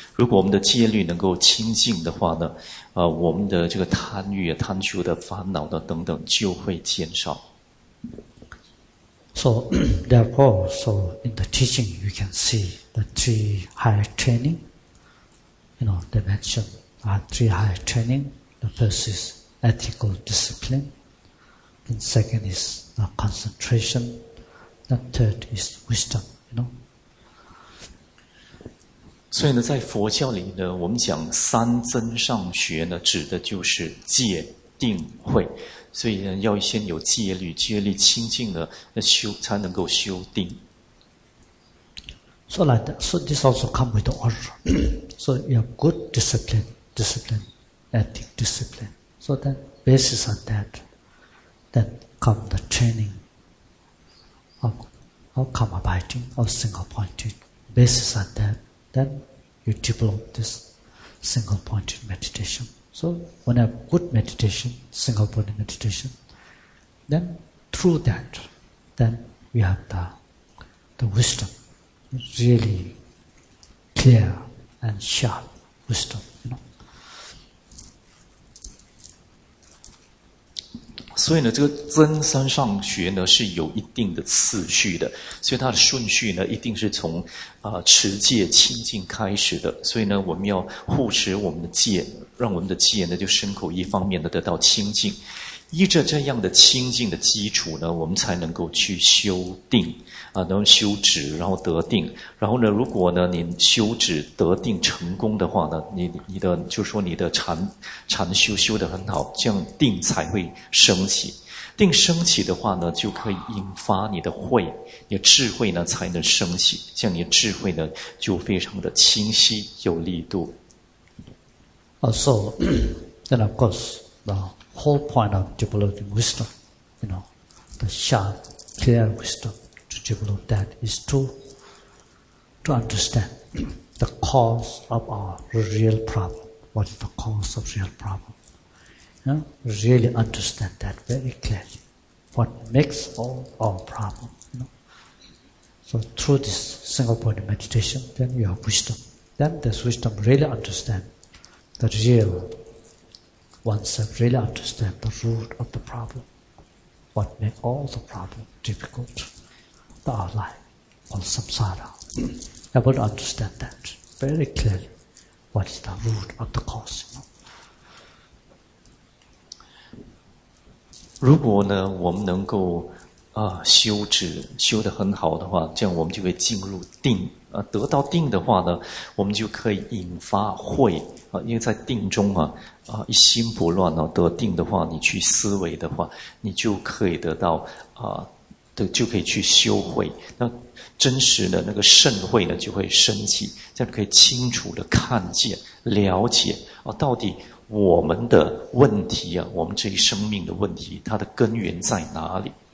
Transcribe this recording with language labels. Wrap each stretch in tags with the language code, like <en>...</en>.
<zh>如果我们的戒律能够清净的话呢，我们的这个贪欲、贪求的烦恼的等等就会减少。</zh> <en>So, therefore, so in the teaching, you can see the three higher training. You know, they mentioned are three higher training. The first is ethical discipline, and second is concentration. The third is wisdom, you know.</en> <zh>所以呢，在佛教里呢，我们讲三增上学呢，指的就是戒、定、慧。所以呢，要先有戒律，戒律清净了，那修才能够修定。</zh> <en>So like that. So this also come with the order. So you have good discipline, ethic discipline. So that basis on that, then come the training. Of karma biting, of single-pointed basis on that, then you develop this single-pointed meditation. So when you have good meditation, single-pointed meditation, then through that, then we have the wisdom, really clear and sharp wisdom, you know.</en> <zh>所以呢，这个增三上学呢是有一定的次序的，所以它的顺序呢一定是从持戒清净开始的。所以呢，我们要护持我们的戒，让我们的戒呢就身口意方面的得到清净。依着这样的清净的基础呢，我们才能够去修定。能修止然后得定，然后呢如果呢你修止得定成功的话呢，你的就说你的禅修修得很好，这样定才会升起，定升起的话呢就可以引发你的慧，你的智慧呢才能升起，这样你的智慧呢就非常的清晰有力度。</zh> <en>So, then of course, the whole point of developing wisdom, you know, the sharp, clear wisdom to develop that is to understand the cause of our real problem. What is the cause of real problem? You know, really understand that very clearly. What makes all our problem, you know. So through this single point of meditation, then you have wisdom. Then this wisdom really understand. The real oneself really understand the root of the problem, what makes all the problem difficult, the outline of samsara. Able to understand that very clearly, what is the root of the cause. You know?</en> <zh>如果呢，我们能够修止修得很好的话，这样我们就会进入定。得到定的话呢，我们就可以引发慧。因为在定中一心不乱得定的话，你去思维的话，你就可以得到就可以去修慧，那真实的那个圣慧呢就会升起，这样可以清楚的看见了解到底我们的问题我们这一生命的问题它的根源在哪里。</zh>